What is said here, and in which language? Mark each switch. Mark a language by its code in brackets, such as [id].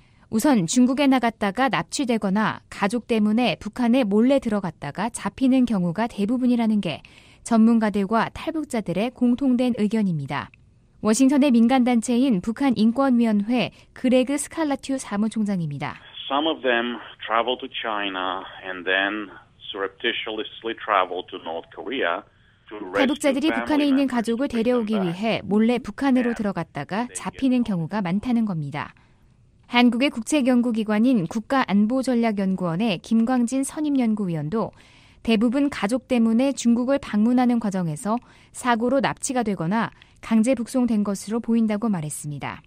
[ko] 우선 중국에 나갔다가 납치되거나 가족 때문에 북한에 몰래 들어갔다가 잡히는 경우가 대부분이라는 게 전문가들과 탈북자들의 공통된 의견입니다. 워싱턴의 민간단체인 북한인권위원회 그레그 스칼라튜 사무총장입니다. [en] Some of them travel to China and then surreptitiously travel to North Korea. [ko] 탈북자들이 북한에 있는 가족을 데려오기 위해 몰래 북한으로 들어갔다가 잡히는 경우가 많다는 겁니다. 한국의 국책연구기관인 국가안보전략연구원의 김광진 선임연구위원도 대부분 가족 때문에 중국을 방문하는 과정에서 사고로 납치가 되거나 강제 북송된 것으로 보인다고 말했습니다.